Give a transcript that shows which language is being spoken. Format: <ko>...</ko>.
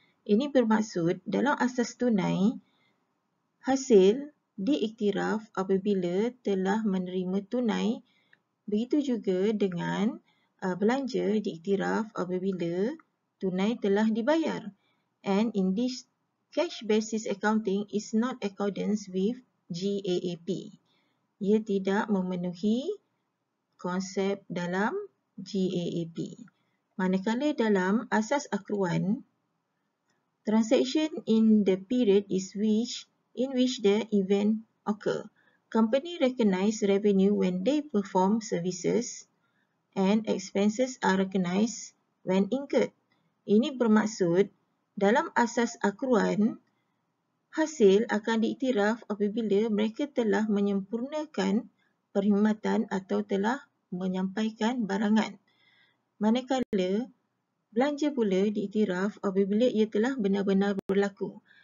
<ms>Ini bermaksud dalam asas tunai, hasil diiktiraf apabila telah menerima tunai, begitu juga dengan belanja diiktiraf apabila tunai telah dibayar.</ms> <en>And in this cash basis accounting is not accordance with GAAP.</en> <ms>Ia tidak memenuhi konsep dalam GAAP. Manakala dalam asas akruan,</ms> <en>transaction in the period is in which the event occur. Company recognize revenue when they perform services and expenses are recognized when incurred.</en> <ms>Ini bermaksud dalam asas akruan, hasil akan diiktiraf apabila mereka telah menyempurnakan perkhidmatan atau telah menyampaikan barangan. Manakala belanja pula diiktiraf apabila ia telah benar-benar berlaku.</ms>